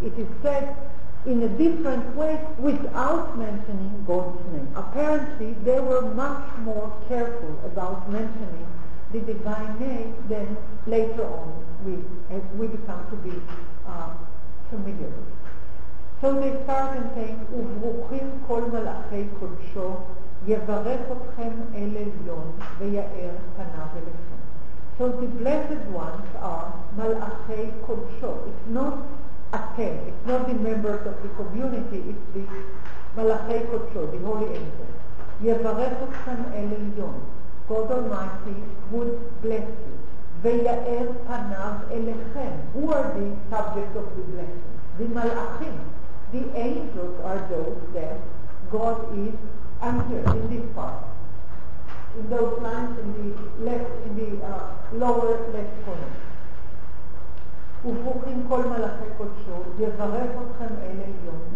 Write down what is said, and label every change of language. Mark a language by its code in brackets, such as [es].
[en] It is said in a different way without mentioning God's name. Apparently, they were much more careful about mentioning the divine name than later on we become to be familiar with. So they start and say, [he] וברוכים כל מלאכי קודשו, יברך אתכם אל עליון ויאר פניו אליכם. [en] So the blessed ones are [he] מלאכי קודשו. [en] It's not אתם, it's not the members of the community, it's the [he] מלאכי קודשו, [en] the holy angels. [he] יברך אתכם אל עליון, [en] God Almighty would bless you. [he] ויאר פניו אליכם. [en] Who are the subject of the blessing? The מלאכים. The angels are those that God is, I'm here in this part, in those lines in the left, in the lower left corner. [he] וברוכים כל מלאכי קודשו, יברך אתכם אל עליון